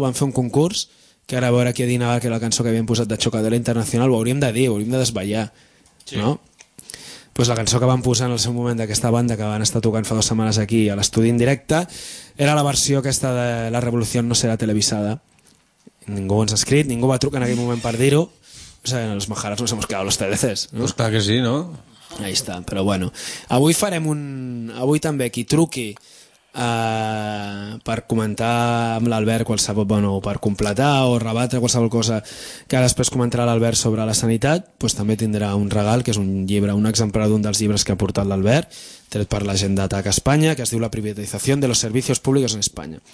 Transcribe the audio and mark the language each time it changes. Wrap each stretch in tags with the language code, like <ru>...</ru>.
<ca>Vam fer un concurs, que ara a veure qui adivinava que la cançó que havíem posat de Chocadera Internacional, ho hauríem de dir, ho hauríem de desvetllar, sí. No? Pues la cançó que van posar en el seu moment d'aquesta banda que van estar tocant fa dues setmanes aquí a l'estudi en directe era la versió aquesta de La Revolució no serà televisada. Ningú ens ha escrit, ningú va trucar en aquell moment per dir-ho.</ca> <es>O sea, en els Majares nos hemos quedado los teleces.</es> <ca>No? Pues clar que sí, no?</ca> <es>Ahí está,</es> <ca>però bueno. Avui farem un... Avui també qui truqui per comentar amb l'Albert qualsevol, bueno, per completar o rebatre qualsevol cosa que després comentarà l'Albert sobre la sanitat, pues també tindrà un regal, que és un llibre, un exemplar d'un dels llibres que ha portat l'Albert, tret per la gent d'Atac a Espanya, que es diu La privatització de los servicios públicos en Espanya.</ca>